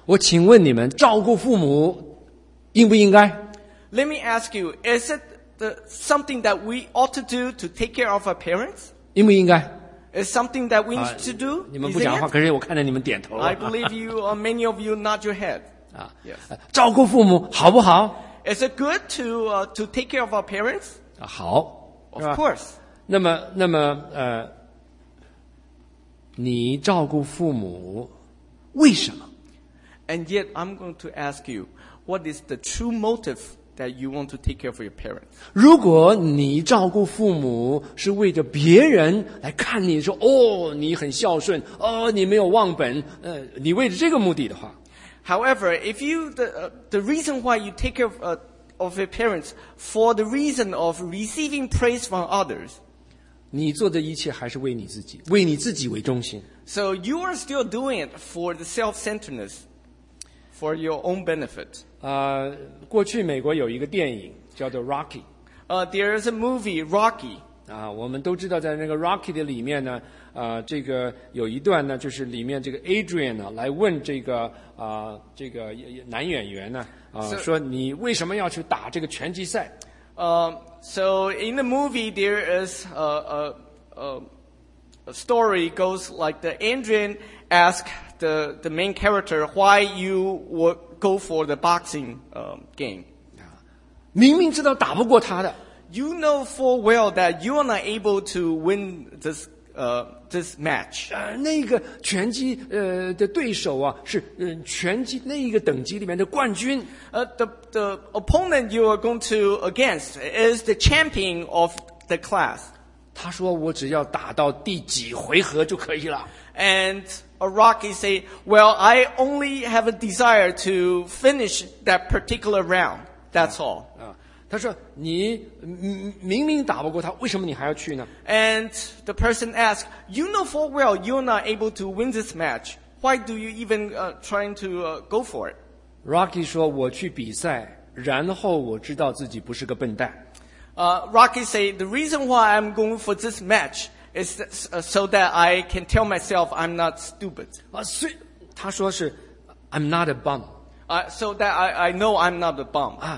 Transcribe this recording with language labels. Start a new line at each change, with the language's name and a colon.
Chinese: 我请问你们，照顾父母应不应该
English: ？Let me ask you, is itsomething that we ought to do to take care of our parents?
Chinese: 应不应该
English: Is something that we need to do?
Chinese: 你们不讲话，可是我看着你们点头。
English: I believe you, many of you nod your head. Yes.
Chinese: 照顾父母好不好
English: Is it good to take care of our parents?
Chinese: 好
English: Of course.
Chinese: 那么你照顾父母为什么
English: And yet, I'm going to ask you, what is the true motive that you want to take care of your parents.
Chinese: 如果你照顾父母是为着别人来看你说哦你很孝顺哦你没有忘本你为着这个目的的话。
English: However, if you, the reason why you take care of your parents for the reason of receiving praise from others,
Chinese: 你做的一切还是为你自己，为你自己为中心。
English: So you are still doing it for the self-centeredness, for your own benefit.
Chinese: 过去美国有一个电影叫做 Rocky.
English: There is a movie, Rocky.
Chinese: 我们都知道在那个 Rocky 的里面呢这个有一段呢就是里面这个 Adrian 呢来问这个这个男演员呢说你为什么要去打这个拳击赛。
English: So in the movie there is a story goes like the Adrian asked the main character why you would go for the boxing game.
Chinese: 明明知道打不过他的。
English: You know full well that you are not able to win this this match.
Chinese: 那个拳击的对手啊是拳击那一个等级里面的冠军。
English: The opponent you are going to against is the champion of the class.
Chinese: 他说我只要打到第几回合就可以了。
English: And Rocky say, well, I only have a desire to finish that particular round. That's all.
Chinese: 他说你明明打不过他为什么你还要去呢
English: And the person asked, you know full well you're not able to win this match. Why do you even trying to go for it?
Chinese: Rocky 说我去比赛然后我知道自己不是个笨蛋。
English: Rocky say, the reason why I'm going for this match is so that I can tell myself I'm not stupid.
Chinese: 他说是
English: I'm not a bum. So that I know I'm not a bum.